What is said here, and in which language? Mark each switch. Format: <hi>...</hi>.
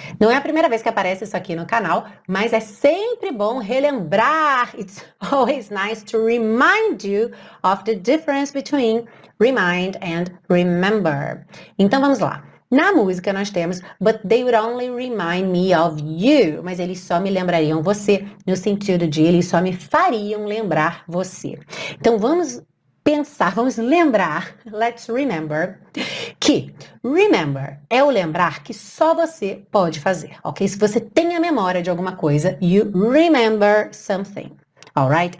<pt>Não é a primeira vez que aparece isso aqui no canal, mas é sempre bom relembrar.</pt> <en>It's always nice to remind you of the difference between remind and remember.</en> <pt>Então vamos lá. Na música nós temos,</pt> <en>but they would only remind me of you.</en> <pt>Mas eles só me lembrariam você, no sentido de eles só me fariam lembrar você. Então vamos pensar, vamos lembrar,</pt> <en>let's remember,</en> <pt>que remember é o lembrar que só você pode fazer, ok? Se você tem a memória de alguma coisa,</pt> <en>you remember something,</en> <pt>All right?</pt>